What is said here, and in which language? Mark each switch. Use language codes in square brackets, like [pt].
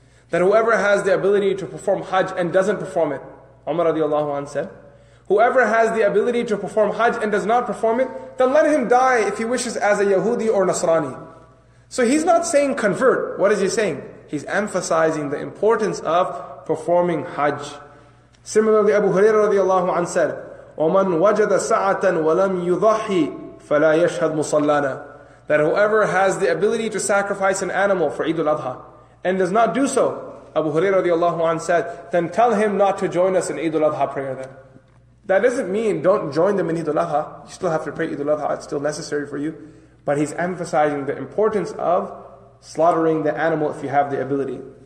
[en] That whoever has the ability to perform Hajj and doesn't perform it, Umar radiallahu an said, whoever has the ability to perform Hajj and does not perform it, then let him die if he wishes as a Yahudi or Nasrani. So he's not saying convert. What is he saying? He's emphasizing the importance of performing Hajj. Similarly, Abu Hurairah radiallahu an said, [ar] وَمَنْ وَجَدَ سَعَةً وَلَمْ يُضَحِي فَلَا يَشْهَدْ مُصَلَّانَا. [en] That whoever has the ability to sacrifice an animal for Eid al-Adha and does not do so, Abu Hurairah radiallahu an said, then tell him not to join us in Eid al-Adha prayer then. That doesn't mean don't join them in Eid al-Adha. You still have to pray Eid al-Adha. It's still necessary for you. But he's emphasizing the importance of slaughtering the animal if you have the ability.